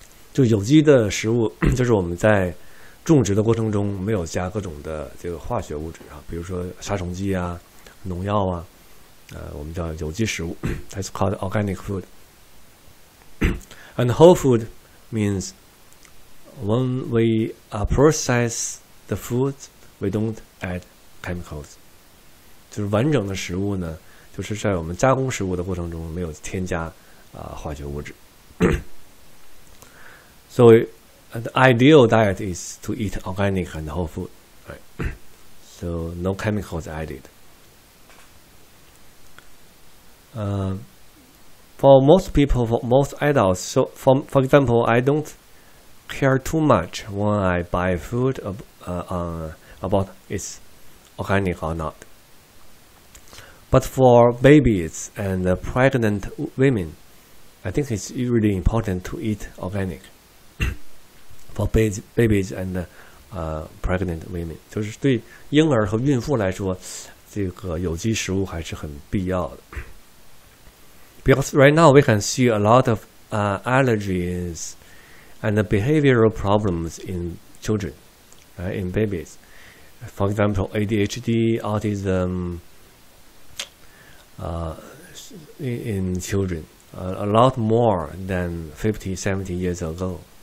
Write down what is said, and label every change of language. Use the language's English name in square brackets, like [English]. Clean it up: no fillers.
[Chinese] 就有机的食物就是我们在种植的过程中没有加各种的这个化学物质啊，比如说杀虫剂啊，农药啊。我们叫有机食物 [English] that's called organic food. And whole food means when we process the food, we don't add chemicals. [Chinese] 就是完整的食物呢，就是在我们加工食物的过程中没有添加化学物质。 [English] So the ideal diet is to eat organic and whole food, right? So no chemicals added. For most people, for most adults, so for example, I don't care too much when I buy food about its organic or not. But for babies and pregnant women, I think it's really important to eat organic for babies and pregnant women. [Chinese] 就是对婴儿和孕妇来说，这个有机食物还是很必要的。 [English] Because right now we can see a lot of allergies and behavioral problems in children, right, in babies. For example, ADHD, autism, in children, a lot more than 50, 70 years ago.